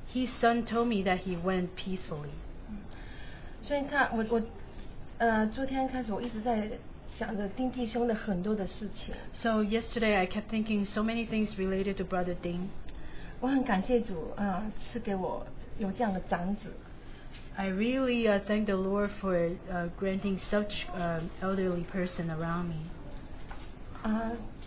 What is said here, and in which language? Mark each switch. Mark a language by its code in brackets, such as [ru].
[en] His son told me that he went peacefully. [zh] 所以他我 昨天开始我一直在 [en] So yesterday I kept thinking so many things related to Brother Ding. [zh] 我很感谢主, 赐给我有这样的长子。 [en] I really thank the Lord for granting such elderly person around me.